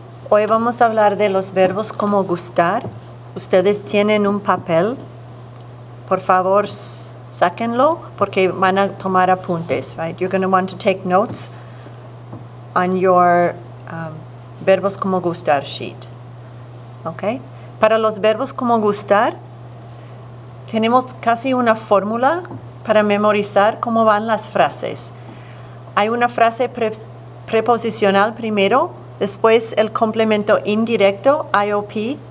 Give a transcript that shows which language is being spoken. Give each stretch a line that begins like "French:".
Spanish: Hoy vamos a hablar de los verbos como gustar. Ustedes tienen un papel. Por favor, sáquenlo porque van a tomar apuntes, right?
English: You're going to want to take notes on your verbos como gustar sheet. Okay?
Spanish: Para los verbos como gustar, tenemos casi una fórmula para memorizar cómo van las frases. Hay una frase preposicional primero, después el complemento indirecto, IOP.